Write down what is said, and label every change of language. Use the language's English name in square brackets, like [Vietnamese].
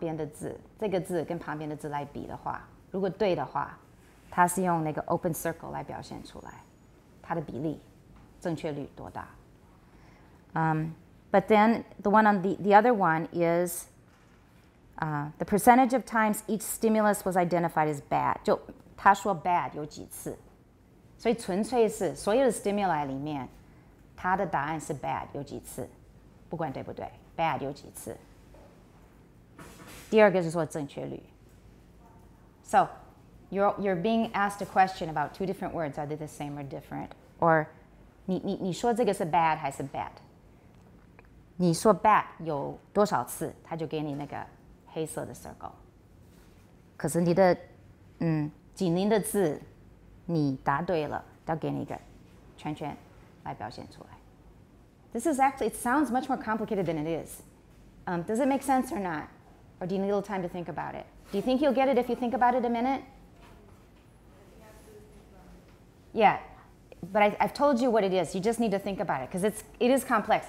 [Chinese] 是紧邻的字,就是旁边的字,这个字跟旁边的字来比的话, 如果对的话, 它是用那个open circle来表现出来, 它的比例, 正确率多大? [English] But then the one on the other one is the percentage of times each stimulus was identified as bad. [Chinese] 就它说bad有几次, 所以纯粹是所有的stimuli里面, 他的答案是 bad 有几次，不管对不对 ，bad 有几次。第二个是说正确率。 [English] So, you're being asked a question about two different words. Are they the same or different? Or, [Chinese] 你说这个是 bad 还是 bad? 你说 bad 有多少次，他就给你那个黑色的 circle。可是你的，紧邻的字，你答对了，他给你一个圈圈来表现出来。 [English] This is actually, it sounds much more complicated than it is. Does it make sense or not? Or do you need a little time to think about it? Do you think you'll get it if you think about it a minute? Yeah, but I've told you what it is. You just need to think about it because it is complex.